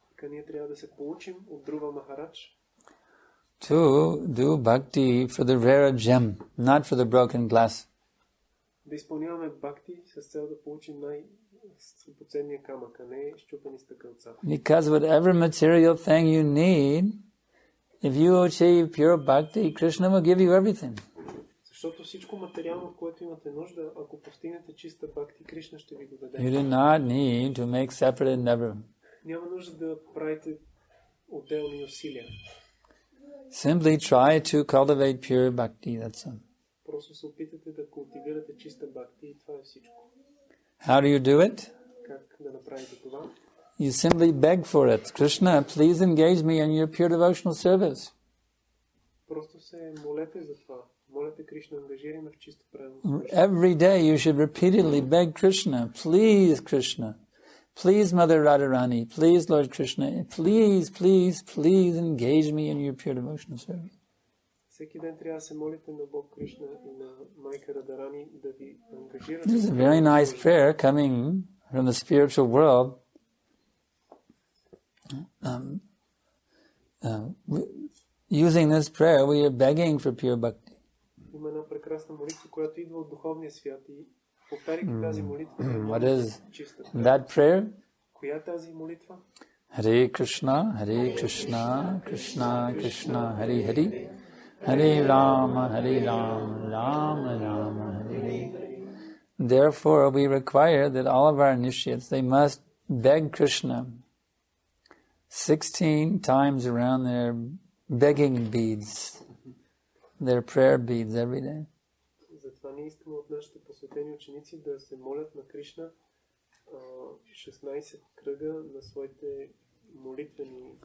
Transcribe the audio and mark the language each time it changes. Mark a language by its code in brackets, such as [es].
[bg] Ние трябва да се поучим от Друва Махарадж. [en] to do bhakti for the rarer gem, not for the broken glass. [bg] Да изпълняваме бхакти с цел да получим най-скъпоценния камък, а не счупени стъкълца. [en] Because whatever material thing you need, if you achieve pure bhakti, Krishna will give you everything. [bg] Защото всичко материално, което имате нужда, ако постигнете чиста бхакти, Кришна ще ви го даде. [en] You do not need to make separate endeavor. [bg] Няма нужда да правите отделни усилия. [en] Simply try to cultivate pure bhakti, that's all. [bg] Просто се опитате да култивирате чиста бхакти и това е всичко. [en] How do you do it? [bg] Как да направите това? [en] You simply beg for it. Krishna, please engage me in your pure devotional service. [bg] Просто се молете за това. Молете Кришна, ангажирай ме в чисто правилно. [en] Every day you should repeatedly beg Krishna, please Krishna, please Mother Radharani, please Lord Krishna, please, please, please engage me in your pure devotional service. [bg] Всеки ден трябва да се молите на Бог Кришна и на Майка Радарани да ви ангажират. [en] This is a very nice prayer coming from the spiritual world. Using this prayer, we are begging for pure bhakti. [bg] Има една прекрасна молитва, която идва от духовния свят и повтаряйки тази молитва. [en] What is that prayer? [bg] Коя е тази молитва? [sa] Hare Krishna, Hare Krishna, Krishna Krishna, Hare Hare. Hare Rama, Rama, Rama, Hare Hare. [en] Therefore, we require that all of our initiates, they must beg Krishna 16 times around their begging beads, their prayer beads every day. [bg] Затова ние искаме от нашите посветени ученици да се молят на Кришна 16 кръга на своите молитвени.